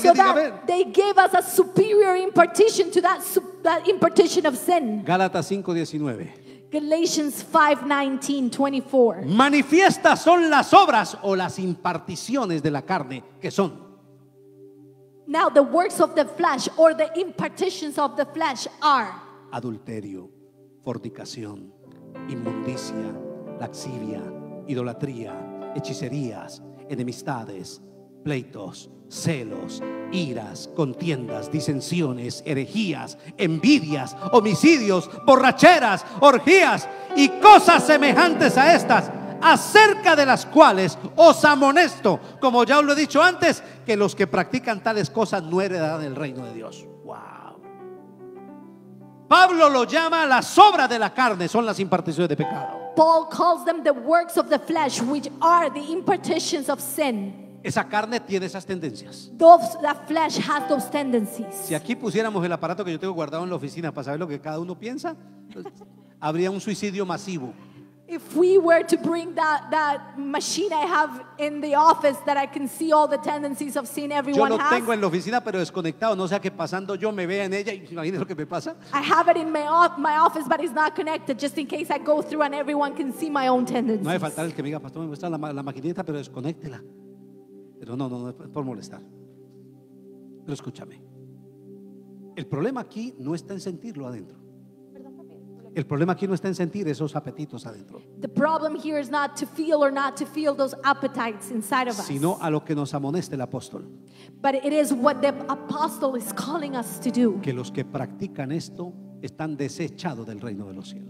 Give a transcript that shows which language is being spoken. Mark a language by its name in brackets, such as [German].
[English] So that they gave us a superior impartition to that impartition of sin. [Spanish] Gálatas 5:19. [English] Galatians 5:19-24. [Spanish] Manifiestas son las obras o las imparticiones de la carne que son. [English] Now the works of the flesh or the impartitions of the flesh are. [Spanish] Adulterio, fornicación, inmundicia, lascivia, idolatría, hechicerías, enemistades, pleitos, celos, iras, contiendas, disensiones, herejías, envidias, homicidios, borracheras, orgías y cosas semejantes a estas, acerca de las cuales os amonesto, como ya os lo he dicho antes, que los que practican tales cosas no heredarán el reino de Dios. Pablo lo llama las obras de la carne, son las imparticiones de pecado. [English] Paul calls them the works of the flesh, which are the impartitions of sin. [Spanish] Esa carne tiene esas tendencias. [English] That flesh has those tendencies. [Spanish] Si aquí pusiéramos el aparato que yo tengo guardado en la oficina para saber lo que cada uno piensa, habría un suicidio masivo. [English] If we were to bring that machine I have in the office that I can see all the tendencies of sin everyone has. [Spanish] Yo lo tengo en la oficina pero desconectado, no sea que pasando yo me vea en ella y imagínese lo que me pasa. I have it in my office but it's not connected just in case I go through and everyone can see my own tendencies. No hay faltar el que me diga, pastor, me muestra la maquinita pero desconéctela. Pero no es por molestar. Pero escúchame. El problema aquí no está en sentirlo adentro. El problema aquí no está en sentir esos apetitos adentro. [English] The problem here is not to feel or not to feel those appetites inside of us. [Spanish] Sino a lo que nos amonesta el apóstol. [English] But it is what the apostle is calling us to do. [Spanish] Que los que practican esto están desechados del reino de los cielos.